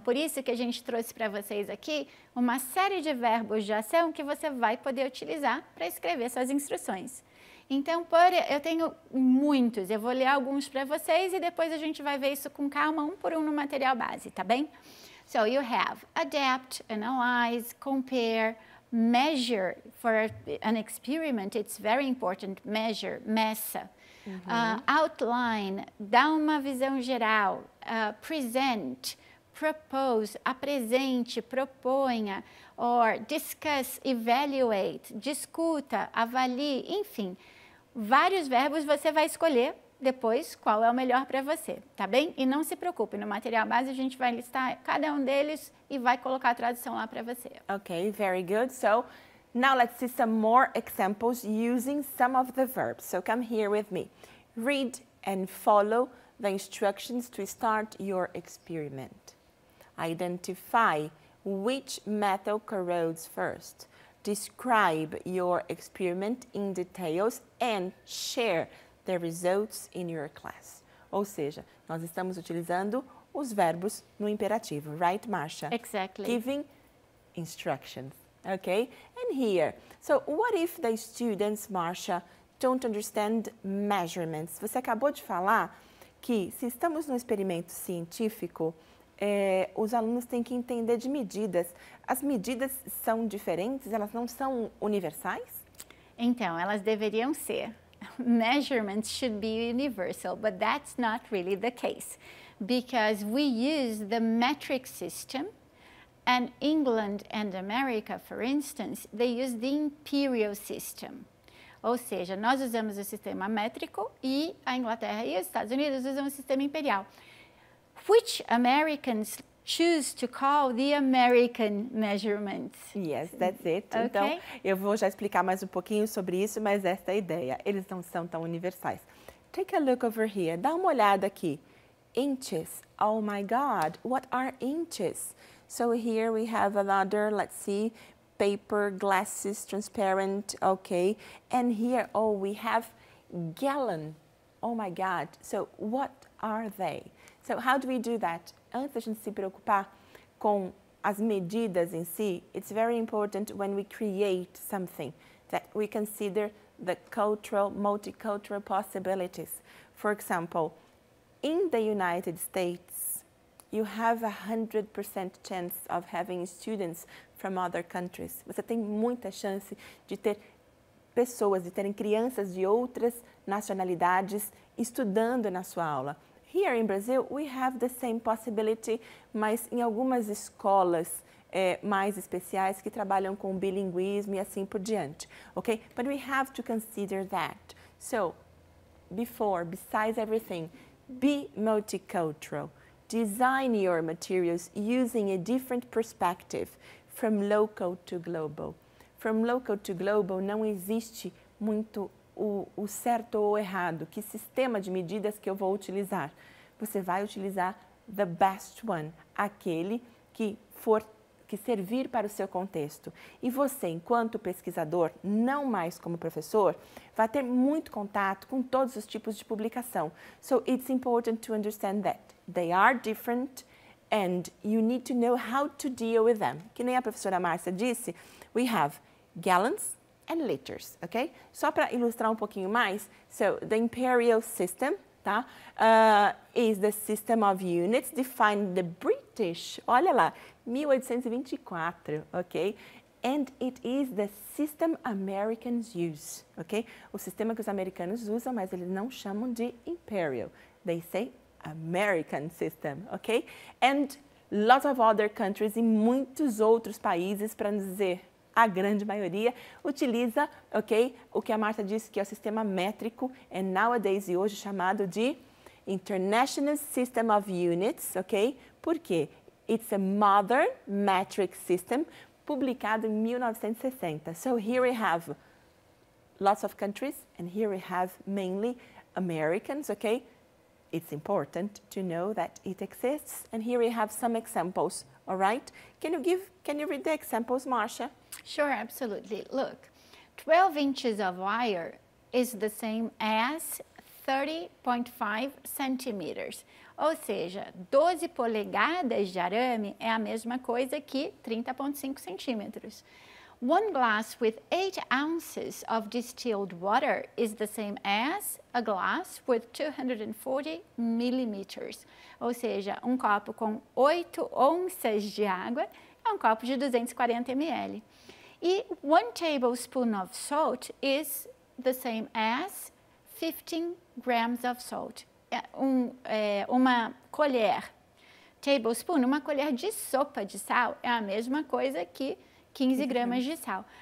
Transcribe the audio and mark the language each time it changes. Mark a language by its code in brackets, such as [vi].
[pt] Por isso que a gente trouxe para vocês aqui uma série de verbos de ação que você vai poder utilizar para escrever suas instruções. Então, eu tenho muitos, eu vou ler alguns para vocês e depois a gente vai ver isso com calma, um por um no material base, tá bem? [en] So, you have adapt, analyze, compare, measure. For an experiment, it's very important, measure, [pt] meça. [en] Outline, [pt] dá uma visão geral. [en] Present, propose, [pt] apresente, proponha. [en] Or discuss, evaluate, [pt] discuta, avalie, enfim. Vários verbos você vai escolher depois qual é o melhor para você, tá bem? E não se preocupe, no material base a gente vai listar cada um deles e vai colocar a tradução lá para você. [en] Okay, very good. So, now let's see some more examples using some of the verbs. So, come here with me. Read and follow the instructions to start your experiment. Identify which metal corrodes first. Describe your experiment in details and share the results in your class. [pt] Ou seja, nós estamos utilizando os verbos no imperativo, right, Marcia? [en] Exactly. Giving instructions, okay? And here, so what if the students, Marcia, don't understand measurements? [pt] Você acabou de falar que se estamos num experimento científico, os alunos têm que entender de medidas. As medidas são diferentes? Elas não são universais? Então, elas deveriam ser. [en] Measurements should be universal, but that's not really the case. Because we use the metric system, and England and America, for instance, they use the imperial system. [pt] Ou seja, nós usamos o sistema métrico e a Inglaterra e os Estados Unidos usam o sistema imperial. [en] Which Americans choose to call the American measurements? Yes, that's it. Okay. [pt] Então, eu vou já explicar mais um pouquinho sobre isso, mas esta é a ideia. Eles não são tão universais. [en] Take a look over here. [pt] Dá uma olhada aqui. Inches. [en] Oh my God, what are inches? So here we have another, let's see, paper, glasses, transparent, okay. And here, oh, we have gallon. Oh my God, so what are they? So, how do we do that? [pt] Antes de a gente se preocupar com as medidas em si, [en] it's very important when we create something that we consider the cultural, multicultural possibilities. For example, in the United States, you have 100% chance of having students from other countries. [pt] Você tem muita chance de ter pessoas, de terem crianças de outras nacionalidades estudando na sua aula. [en] Here in Brazil, we have the same possibility, [pt] mas em algumas escolas mais especiais que trabalham com bilinguismo e assim por diante, okay? [en] But we have to consider that. So, besides everything, be multicultural. Design your materials using a different perspective, from local to global. From local to global, [pt] não existe muito o certo ou errado, que sistema de medidas que eu vou utilizar. Você vai utilizar [en] the best one, [pt] aquele que servir para o seu contexto. E você, enquanto pesquisador, não mais como professor, vai ter muito contato com todos os tipos de publicação. [en] So it's important to understand that they are different and you need to know how to deal with them. [pt] Que nem a professora Márcia disse, [en] we have gallons and liters, okay? [pt] Só para ilustrar um pouquinho mais, [en] so the imperial system, [pt] tá? [en] Is the system of units defined the British, olha lá, 1824, okay? And it is the system Americans use, okay? [pt] O sistema que os americanos usam, mas eles não chamam de imperial. [en] They say American system, okay? And lots of other countries [pt] e muitos outros países, para dizer a grande maioria, utiliza, ok, o que a Marta disse, que é o sistema métrico, [en] and nowadays, [pt] e hoje, chamado de International System of Units, ok? Por quê? [en] It's a modern metric system, [pt] publicado em 1960. [en] So, here we have lots of countries, and here we have mainly Americans, ok? It's important to know that it exists, and here we have some examples, all right? Can you read the examples, Marcia? Sure, absolutely. Look, 12 inches of wire is the same as 30.5 centimeters. [pt] Ou seja, 12 polegadas de arame é a mesma coisa que 30.5 centímetros. [en] One glass with 8 ounces of distilled water is the same as a glass with 240 millimeters. [pt] Ou seja, um copo com 8 onças de água é um copo de 240 ml. [en] E one tablespoon of salt is the same as 15 grams of salt. [pt] Uma colher, tablespoon, uma colher de sopa de sal é a mesma coisa que 15 gramas de sal.